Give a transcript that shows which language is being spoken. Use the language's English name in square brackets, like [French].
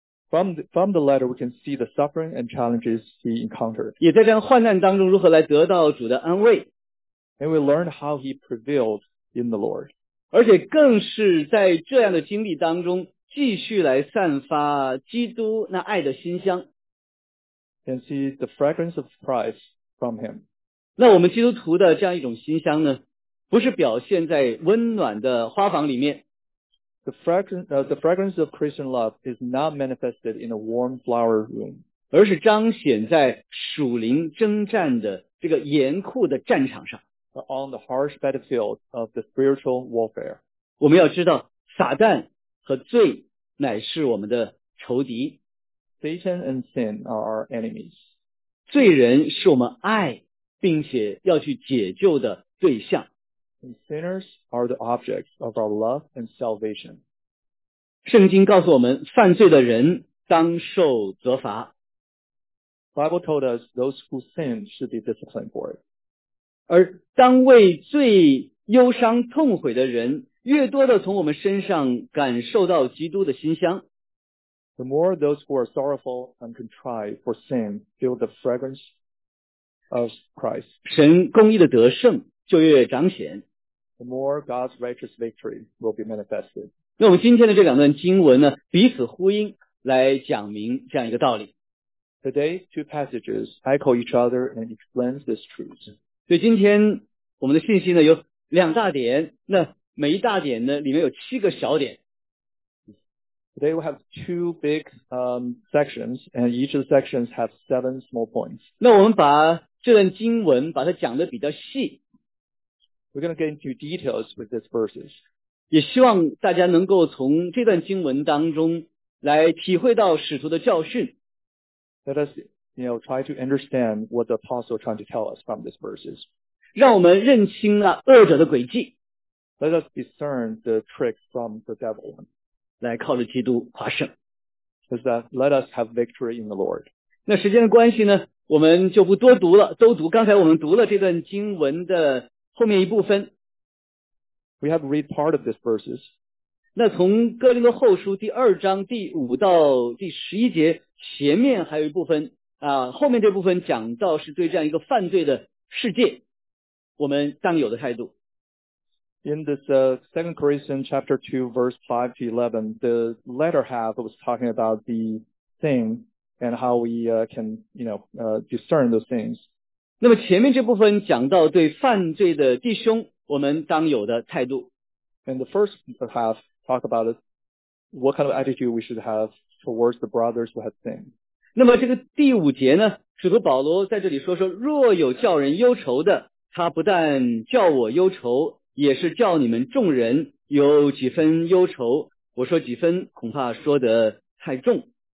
[English] ，From the letter we can see the suffering and challenges he encountered。 [Chinese] 也在这样患难当中如何来得到主的安慰 [English] ，And we learn how he prevailed in the Lord。 [Chinese] 而且更是在这样的经历当中继续来散发基督那爱的馨香。 [English] And see the fragrance of Christ from him. [Chinese] 那我们基督徒的这样一种馨香呢，不是表现在温暖的花房里面。 [English] The fragrance of Christian love is not manifested in a warm flower room. [Chinese] 而是彰显在属灵征战的这个严酷的战场上。 [English] On the harsh battlefield of the spiritual warfare. [Chinese] 我们要知道撒旦和罪乃是我们的仇敌。 [English] Satan and sin are our enemies. [Chinese] 罪人是我们爱并且要去解救的对象。 [English] And sinners are the objects of our love and salvation. [Chinese] 圣经告诉我们犯罪的人当受责罚。 [English] Bible told us those who sin should be disciplined for it. [Chinese] 而当为最忧伤痛悔的人越多的从我们身上感受到基督的馨香， [English] The more those who are sorrowful and contrite for sin feel the fragrance of Christ. [Chinese] 神公义的得胜就越彰显。 [English] The more God's righteous victory will be manifested. [Chinese] 那我们今天的这两段经文呢，彼此呼应，来讲明这样一个道理。 [English] Today's two passages echo each other and explain this truth. [Chinese] 所以今天我们的信息呢有两大点，那每一大点呢里面有七个小点。 [English] Today we have two big sections, and each of the sections have seven small points. [Chinese] 那我们把这段经文把它讲得比较细。 [English] We're going to get into details with these verses. [Chinese] 也希望大家能够从这段经文当中来体会到使徒的教训。 [English] Let us, you know, try to understand what the apostle is trying to tell us from these verses. [Chinese] 让我们认清了恶者的诡计。 [English] Let us discern the trick from the devil. [Chinese] 来靠着基督夸胜。 [English] Let us have victory in the Lord. [Chinese] 那时间的关系呢，我们就不多读了，都读。刚才我们读了这段经文的后面一部分。 [English] We have read part of these verses. [Chinese] 那从哥林多后书第二章第五到第十一节前面还有一部分啊，后面这部分讲到是对这样一个犯罪的世界我们当有的态度。 [English] In this 2 Corinthians chapter 2 verse 5 to 11, the latter half was talking about the thing and how we can, you know, discern those things. [Chinese] 那么前面这部分讲到对犯罪的弟兄我们当有的态度。 [English] And the first half talk about what kind of attitude we should have towards the brothers who have sinned. [Chinese] 那么这个第五节呢，使徒保罗在这里说，若有叫人忧愁的，他不但叫我忧愁，也是叫你们众人有几分忧愁。我说几分，恐怕说得太重。